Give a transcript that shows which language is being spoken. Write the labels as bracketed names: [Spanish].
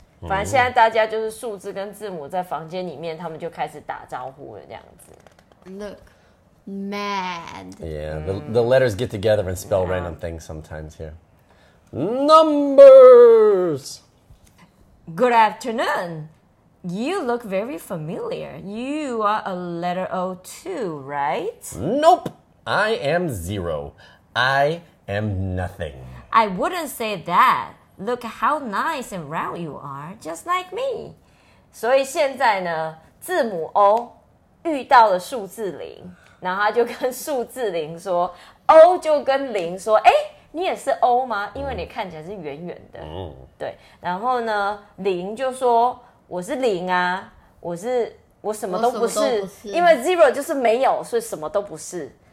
[Chinese] 反正现在大家就是数字跟字母在房间里面，他们就开始打招呼了，这样子。 [English] Look, mad. Yeah, the letters get together and spell random things sometimes here. Numbers. Good afternoon. You look very familiar. You are a letter O too, right? Nope. I am zero. I am nothing. I wouldn't say that. Look how nice and round you are, just like me. [Chinese] 所以现在呢，字母 O 遇到了数字零，然后他就跟数字零说 ，O 就跟零说，哎，你也是 O 吗？因为你看起来是圆圆的。嗯，对。然后呢，零就说我是零啊，我什么都不是，因为 zero 就是没有，所以什么都不是。